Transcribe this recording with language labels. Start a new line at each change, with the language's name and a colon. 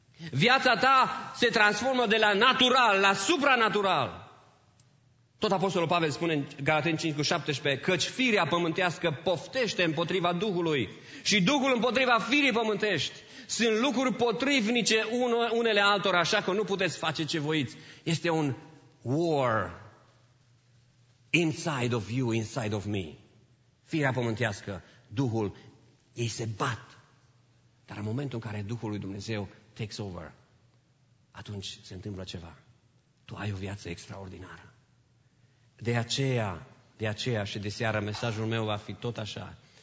Romanian: Viața ta se transformă de la natural la supranatural. Tot Apostolul Pavel spune în Galateni 5:17, căci firea pământească poftește împotriva Duhului și Duhul împotriva firii pământești. Sunt lucruri potrivnice unele altora, așa că nu puteți face ce voiți. Este un war.
English: Inside of you, inside of me.
Romanian: Firea pământească, Duhul, ei se bat. Dar în momentul în care Duhul lui Dumnezeu
English: takes over,
Romanian: atunci se întâmplă ceva. Tu ai o viață extraordinară. De aceea și de seară mesajul meu va fi tot așa.